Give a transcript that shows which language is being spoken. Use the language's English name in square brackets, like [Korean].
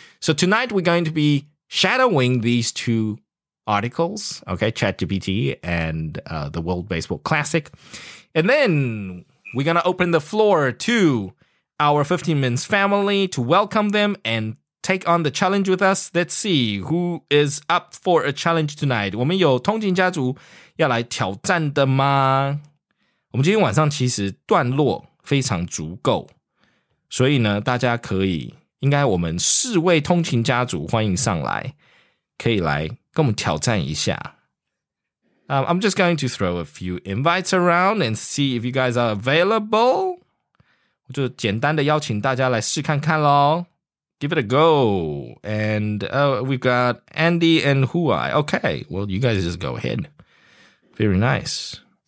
[English] So tonight we're going to be shadowing these two articles, okay, ChatGPT and the World Baseball Classic. And then we're going to open the floor to our 15 Minutes family to welcome them and take on the challenge with us. Let's see who is up for a challenge tonight. [Chinese] 我们有通勤家族要来挑战的吗？我们今天晚上其实段落非常足够，所以呢，大家可以，应该我们四位通勤家族欢迎上来，可以来跟我们挑战一下。 [English] I'm just going to throw a few invites around and see if you guys are available. [Chinese] 我就简单的邀请大家来试看看咯。 [English] Give it a go. And we've got Andy and Huai. Okay, well, you guys just go ahead. Very nice.